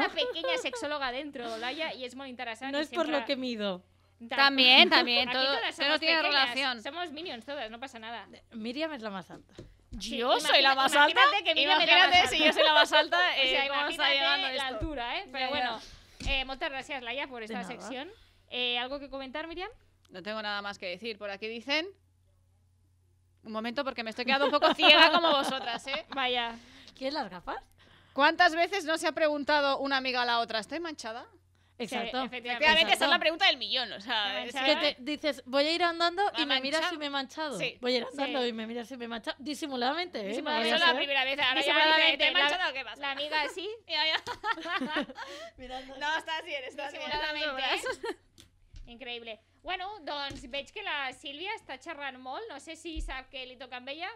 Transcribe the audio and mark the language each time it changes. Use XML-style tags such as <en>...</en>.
<ca>Una pequeña sexòloga dentro, Laia, i és molt interessant. No és</ca> <es>por lo que mido. También, también. Aquí todas somos pequeñas. Relación. Somos minions todas, no pasa nada. Miriam es la más alta. Sí, yo soy la más alta. Imagínate que Miriam es la más alta. Si yo soy la más alta, o sea, ¿cómo está llegando esto? La altura, ¿eh? Pero ya, bueno,</es> <ca>moltes gràcies, Laia,</ca> <es>por esta sección. ¿Algo que comentar, Miriam? No tengo nada más que decir. Por aquí dicen... Un momento, porque me estoy quedando un poco ciega como vosotras, ¿eh? Vaya. ¿Quién las gafas? ¿Cuántas veces no se ha preguntado una amiga a la otra, ¿estoy manchada? Exacto. Sí, efectivamente, esa es la pregunta del millón, o sea... ¿Te que te dices, voy a ir andando y me miras si me he manchado. Sí. Voy a ir andando sí. y me miras si me he manchado. Disimuladamente, ¿eh? Disimuladamente. Eso es la primera vez. Ahora disimuladamente. ¿Te he manchado o qué pasa? La amiga así. Mirando. No, estás bien, estás disimuladamente. Bien. Disimuladamente. Increíble.</es> <ca>Bueno, doncs veig que la Sílvia està xerrant molt. No sé si sap que li toca amb ella.</ca>